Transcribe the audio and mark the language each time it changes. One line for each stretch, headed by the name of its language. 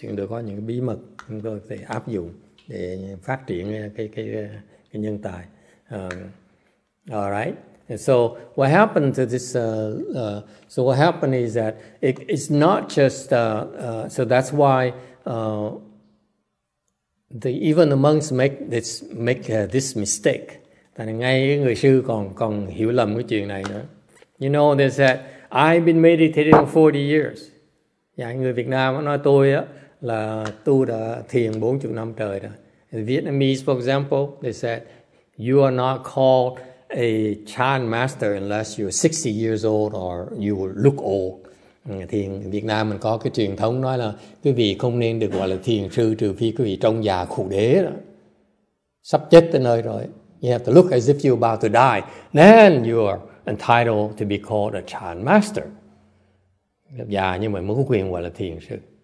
Vietnamese: Chúng tôi có những bí mật chúng tôi có thể áp dụng để phát triển cái nhân tài.
English: Alright. And so what happened to this, so what happened is that it's not just, so that's why even the monks make this mistake.
Vietnamese: Tại ngay người sư còn hiểu lầm cái chuyện này nữa.
English: You know, they said, I've been meditating 40 years.
Vietnamese: Yeah, người Việt Nam nói tôi á, là tu đã thiền 40 năm trời rồi.
English: In Vietnamese, for example, they said, you are not called a Chan master unless you're 60 years old or you look old.
Vietnamese: Thì Việt Nam mình có cái truyền thống nói là quý vị không nên được gọi là thiền sư trừ phi quý vị trông già khủ đế đó. Sắp chết tới nơi rồi.
English: You have to look as if you're about to die. Then you are entitled to be called a Chan master.
Vietnamese: Già nhưng mà mới có quyền gọi là thiền sư.